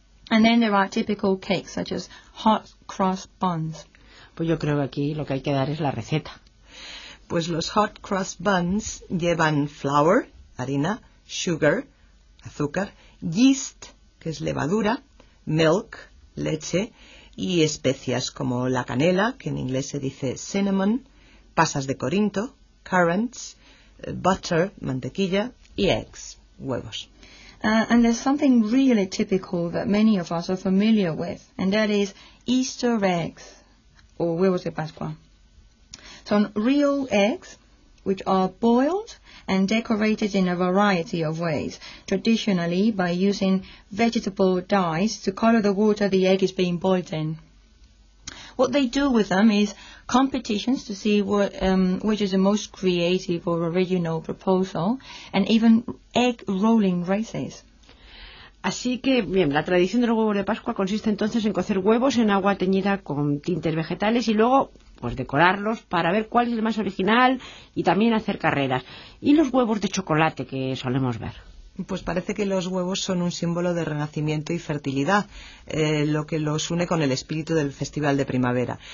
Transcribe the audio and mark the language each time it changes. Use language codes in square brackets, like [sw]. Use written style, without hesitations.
[en] And then there are typical cakes, such as hot cross buns. [es] Pues yo creo que aquí lo que hay que dar es la receta. Pues los hot cross buns llevan flour, harina, sugar, azúcar, yeast, que es levadura, milk, leche, y especias como la canela, que en inglés se dice cinnamon, pasas de Corinto, currants, butter, mantequilla, y eggs, huevos. [en] And there's something really typical that many of us are familiar with, and that is Easter eggs, or [es] huevos de Pascua. [en] Son real eggs, which are boiled and decorated in a variety of ways, traditionally by using vegetable dyes to color the water the egg is being boiled in. What they do with them is competitions to see which is the most creative or original proposal, and even egg rolling races. [es] Así que, bien, la tradición de los huevos de Pascua consiste entonces en cocer huevos en agua teñida con tintes vegetales y luego, pues, decorarlos para ver cuál es el más original y también hacer carreras. ¿Y los huevos de chocolate que solemos ver? Pues parece que los huevos son un símbolo de renacimiento y fertilidad, lo que los une con el espíritu del festival de primavera.